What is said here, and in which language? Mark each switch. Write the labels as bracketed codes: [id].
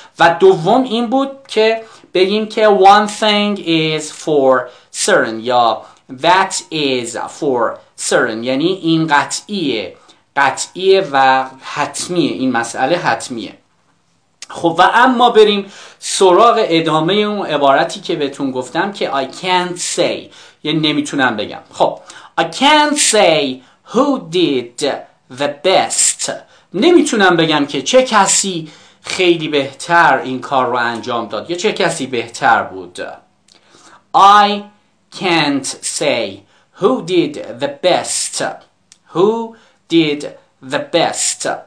[fa] و دوم این بود که بگیم که [en] one thing is for certain [fa] یا [en] that is for certain، [fa] یعنی این قطعیه. قطعیه و حتمیه. این مسئله حتمیه. خب و اما بریم سراغ ادامه اون عبارتی که بهتون گفتم که [en] I can't say، [fa] یعنی نمیتونم بگم. [en] خب I can't say who did the best. [fa] نمیتونم بگم که چه کسی خیلی بهتر این کار رو انجام داد یا چه کسی بهتر بود. [en] I can't say who did the best. Who did the best.